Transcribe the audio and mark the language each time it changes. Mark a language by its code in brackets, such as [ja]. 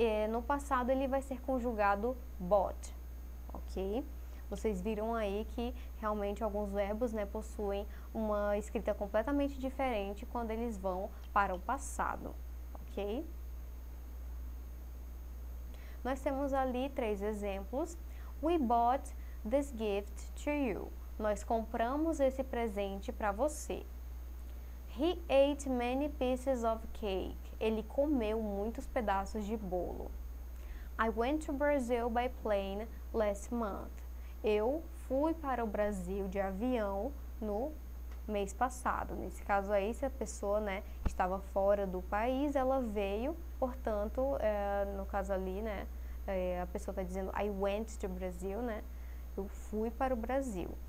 [pt] No passado, ele vai ser conjugado bought, ok? Vocês viram aí que realmente alguns verbos, né, possuem uma escrita completamente diferente quando eles vão para o passado, ok? Nós temos ali três exemplos. [en] We bought this gift to you. [pt] Nós compramos esse presente para você. [en] He ate many pieces of cake. [pt] Ele comeu muitos pedaços de bolo. [en] I went to Brazil by plane last month. [pt] Eu fui para o Brasil de avião no mês passado. Nesse caso aí, se a pessoa, né, estava fora do país, ela veio, portanto, no caso ali, né? A pessoa está dizendo [en] I went to Brazil, [pt] né? Eu fui para o Brasil.